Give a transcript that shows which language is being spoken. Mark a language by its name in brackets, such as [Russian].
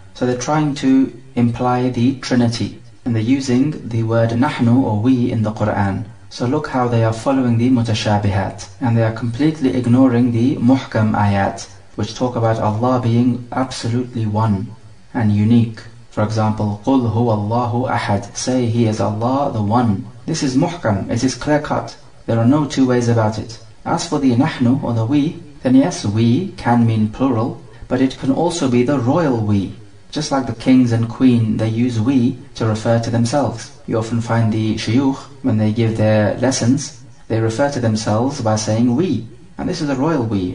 [English] So they're trying to imply the Trinity and they're using the word nahnu or we in the Quran. So look how they are following the mutashabihat and they are completely ignoring the muhkam ayat, which talk about Allah being absolutely one and unique. For example, [Arabic] قُلْ هُوَ اللَّهُ أَحَدٌ. [English] Say, He is Allah, the One. This is muhkam, it is clear-cut. There are no two ways about it. As for the nahnu or the we, then yes, we can mean plural, but it can also be the royal we. Just like the kings and queen, they use we to refer to themselves. You often find the shuyukh, when they give their lessons, they refer to themselves by saying we. And this is a royal we.